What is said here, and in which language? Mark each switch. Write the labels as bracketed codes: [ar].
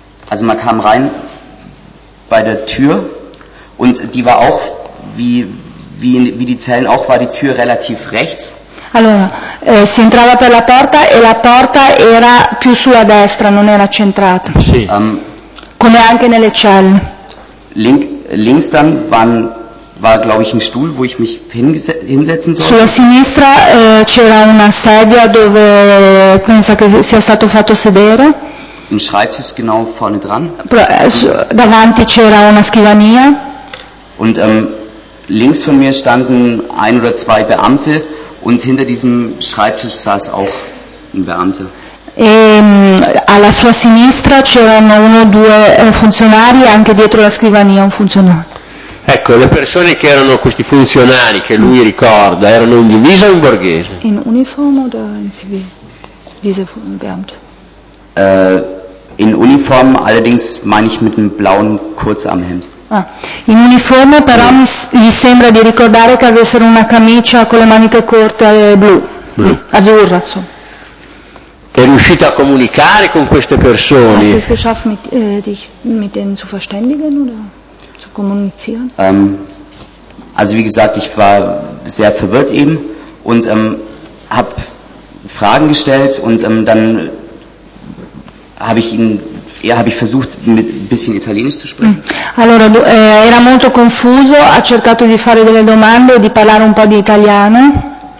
[de] Also man kam rein bei der Tür und die war auch wie die Zellen auch war die Tür relativ rechts. [it] Allora, si entrava per la porta e la porta era più sulla destra, non era centrata. Sì. Come anche nelle celle. [de] Links dann war glaube ich ein Stuhl, wo ich mich hinsetzen sollte. [it] Sulla sinistra c'era una sedia dove pensa che sia stato fatto sedere. [de] Ein Schreibtisch genau vorne dran. [it] Davanti c'era una scrivania. [de] Und links von mir standen ein oder zwei Beamte und hinter diesem Schreibtisch saß auch ein Beamter. [it] Alla sua sinistra c'erano uno o due funzionari e anche dietro la scrivania un funzionario. Ecco, le persone che erano questi funzionari che lui ricorda erano in divisa o in borghese? In uniform o in civile? [de] Diese Beamte. In uniform, allerdings meine ich mit einem blauen Kurzarmhemd. [it] In uniforme però gli sembra di ricordare che avessero una camicia con le maniche corte blu. Azzurra, insomma. È riuscito a comunicare con queste persone? [de] Hast du es geschafft, dich mit denen zu verständigen oder zu kommunizieren? Also wie gesagt, ich war sehr verwirrt eben und habe Fragen gestellt und dann habe ich versucht, mit ein bisschen Italienisch zu sprechen. [it] Allora, era molto confuso, ha cercato di fare delle domande e di parlare un po' di italiano.